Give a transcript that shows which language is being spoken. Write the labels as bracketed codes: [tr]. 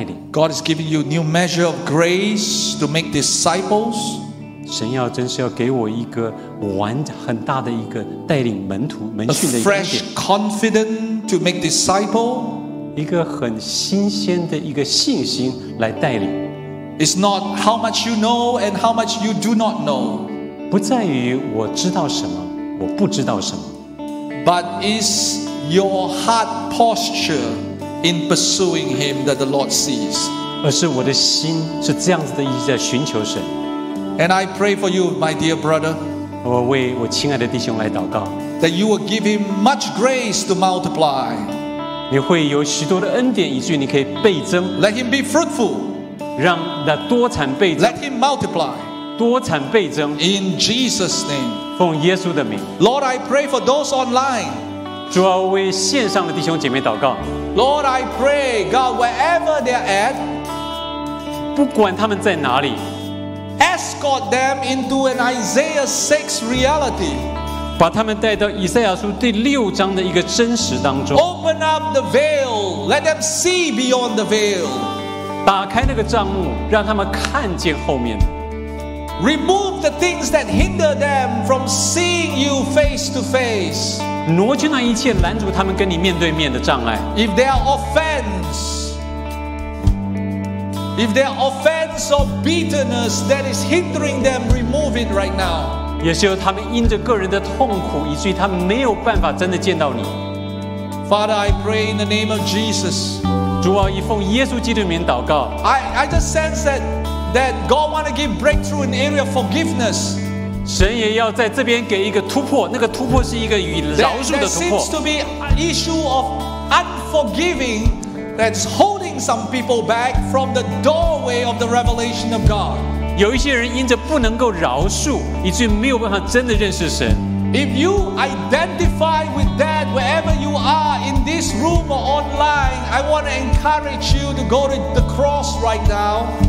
[en] God is giving you a new measure of grace to make disciples. [zh] 神要真是要给我一个完很大的一个带领门徒门训的一个点。 [en] A fresh confidence to make disciple. [zh] 一个很新鲜的一个信心来带领。 [en] It's not how much you know and how much you do not know. [zh] 不在于我知道什么，我不知道什么。 [en] But is your heart posture? In pursuing him that the Lord sees. [zh] 而是我的心是这样子的意思在寻求神。 [en] And I pray for you, my dear brother. [zh] 我为我亲爱的弟兄来祷告。 [en] That you will give him much grace to multiply. [zh] 你会有许多的恩典以至于你可以倍增。 [en] Let him be fruitful. [zh] 让那多产倍增。 [en] Let him multiply. [zh] 多产倍增。 [en] In Jesus' name. [zh] 奉耶稣的名。 [en] Lord, I pray for those online. [zh] 主啊，我为线上的弟兄姐妹祷告。 [en] Lord, I pray, God, wherever they are at, [zh] 不管他们在哪里 [en] escort them into an Isaiah 6 reality. [zh] 把他们带到以赛亚书第六章的一个真实当中 [en] Open up the veil, let them see beyond the veil. [zh] 打开那个帐幕，让他们看见后面 [en] Remove the things that hinder them from seeing you face to face. [zh] 挪去那一切拦阻他们跟你面对面的障碍。 [en] If there are offense, if there are offense or bitterness that is hindering them, remove it right now. [zh] 也是由他们因着个人的痛苦，以至于他们没有办法真的见到你。 [en] Father, I pray in the name of Jesus. [zh] 主啊，以奉耶稣基督的名祷告。 [en] I just sense that God want to give breakthrough in the area of forgiveness. [zh] 神也要在这边给一个突破，那个突破是一个与饶恕的突破。 [en] There seems to be an issue of unforgiving that's holding some people back from the doorway of the revelation of God. [zh] 有一些人因着不能够饶恕，以至于没有办法真的认识神。 [en] If you identify with that wherever you are in this room or online, I want to encourage you to go to the cross right now.